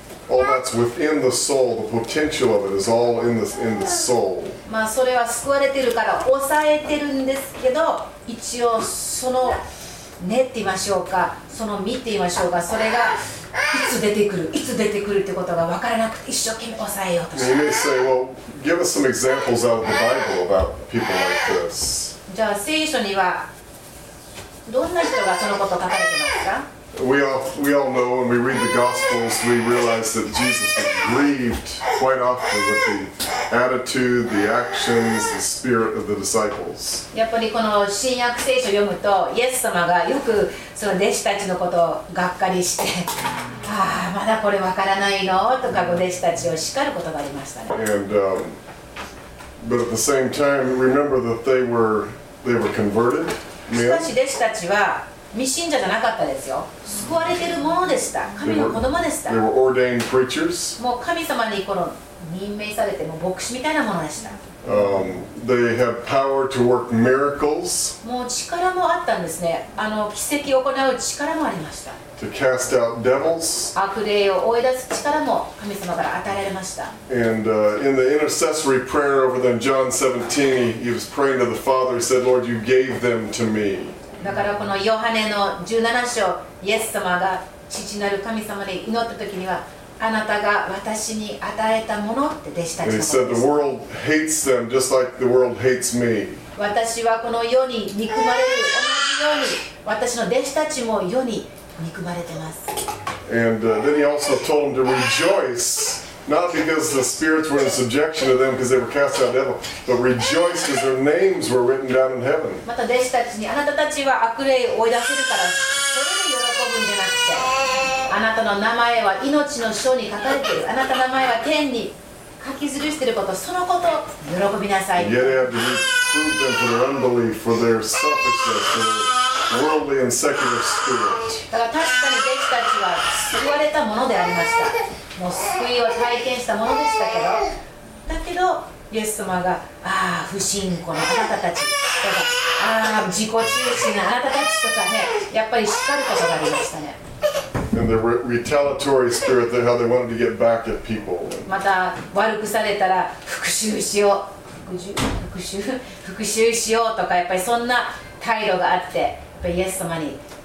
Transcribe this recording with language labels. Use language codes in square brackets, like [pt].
[en] All that's within the soul, the potential of it is all in the soul. [ja] まあそれは救われてるから抑えてるんですけど、一応その根って言いましょうか、その実って言いましょうか、それがいつ出てくる、いつ出てくるってことが分からなくて一生懸命抑えようとして。 [en] You may say, well, give us some examples out of the Bible about people like this. [ja] じゃあ聖書にはどんな人がそのこと書かれてますか？ [en] We all know when we read the Gospels, we realize that Jesus was grieved quite often with the attitude, the actions, the spirit of the disciples. [ja] やっぱりこの新約聖書を読むと、イエス様がよくその弟子たちのことをがっかりして、ああまだこれわからないのとか、弟子たちを叱ることがありましたね。 [en] And, but at the same time, remember that they were converted. [ja] しかし弟子たちは未信者じゃなかったですよ。救われてるものでした。神の子供でした。 [en] They were ordained preachers. [ja] もう神様にこの任命されて、もう牧師みたいなものでした。 [en] They have power to work miracles. [ja] もう力もあったんですね。あの奇跡を行う力もありました。 [en] To cast out devils. [ja] 悪霊を追い出す力も神様から与えられました。 [en] And, in the intercessory prayer over them, John 17, he was praying to the Father. He said, Lord, you gave them to me. [ja] だからこのヨハネの17章、イエス様が父なる神様に祈った時には、あなたが私に与えたものって弟子たちが言ってました私はこの世に憎まれる、同じように私の弟子たちも世に憎まれてます。 [en] And, then he also told them to rejoice. Not because the spirits were in subjection to them because they were cast out devil, but rejoice because their names were written down in heaven. [ja] また弟子たちに、あなたたちは悪霊を追い出せるから、それで喜ぶんじゃなくて、あなたの名前は命の書に書かれている。あなたの名前は天に書き記していること、そのことを喜びなさい。 [en] Yet they had to reprove them for their unbelief, for their selfishness, for their worldly and secular spirit. [ja] だから確かに弟子たちは救われたものでありました。もう救いを体験したものでしたけど、だけどイエス様が、ああ不信仰のあなたたちとか、ああ自己中心のあなたたちとかね、やっぱり叱ることがありましたね。 [en] And the retaliatory spirit, how they wanted to get back at people. [ja] また悪くされたら復讐しよう、復讐しようとか、やっぱりそんな態度があって、やっぱりイエス様に。